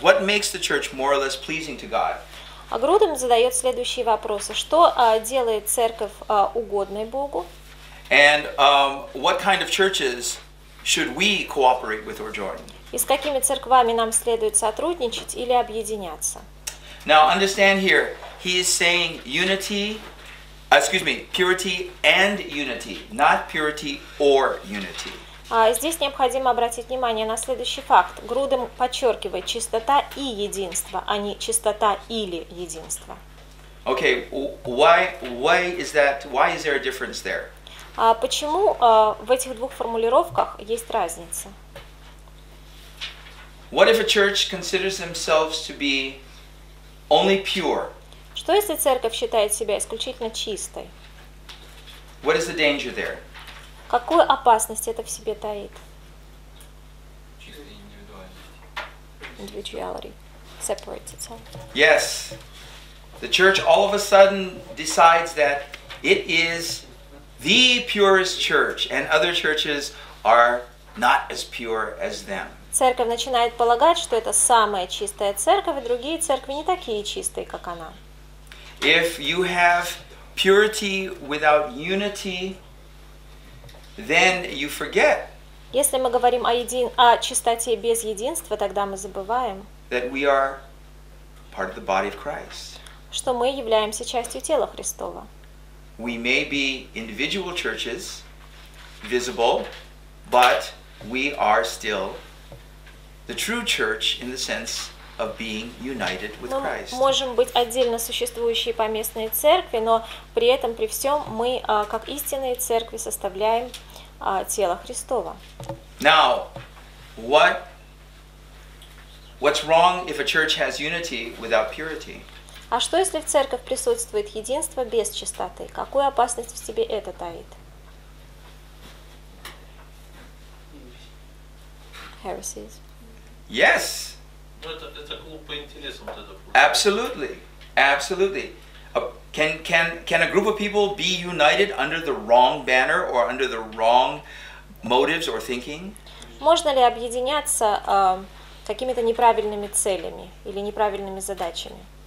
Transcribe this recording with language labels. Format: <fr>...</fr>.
<en>What makes the church more or less pleasing to God?</en> <ru>Грудем задает следующие вопросы. Что делает церковь угодной Богу?</ru> <en>And what kind of churches should we cooperate with or join?</en> <ru>И с какими церквами нам следует сотрудничать или объединяться?</ru> <en>Now understand here, he is saying unity, purity and unity, not purity or unity.</en> <ru>Здесь необходимо обратить внимание на следующий факт. Грудем подчеркивает чистота и единство, а не чистота или единство.</ru> <en>Okay, why is there a difference there?</en> <ru>Почему в этих двух формулировках есть разница?</ru> <en>What if a church considers themselves to be only pure?</en> <ru>Что если церковь считает себя исключительно чистой?</ru> <en>What is the danger there?</en> <ru>Какую опасность это в себе таит?</ru> <en>Individuality. Separates itself. Yes. The church all of a sudden decides that it is the purest church, and other churches are not as pure as them.</en> <ru>Церковь начинает полагать, что это самая чистая церковь, и другие церкви не такие чистые, как она.</ru> <en>If you have purity without unity, then you forget.</en> <ru>Если мы говорим о чистоте без единства, тогда мы забываем,</ru> <en>that we are part of the body of Christ.</en> <ru>Что мы являемся частью тела Христова.</ru> <en>We may be individual churches, visible, but we are still the true church in the sense of being united with Christ.</en> <ru>Мы можем быть отдельно существующие поместные церкви, но при этом, при всем, мы как истинные церкви составляем тело Христова.</ru> <en>Now, what's wrong if a church has unity without purity?</en> <ru>А что, если в церковь присутствует единство без чистоты? Какую опасность в себе это таит?</ru> <en>Heresies. Yes.</en> <ru>Это клуб по интересам.</ru> <en>Absolutely. Absolutely. Can a group of people be united under the wrong banner or under the wrong motives or thinking?</en> <ru>Можно ли объединяться какими-то неправильными целями или неправильными задачами?</ru>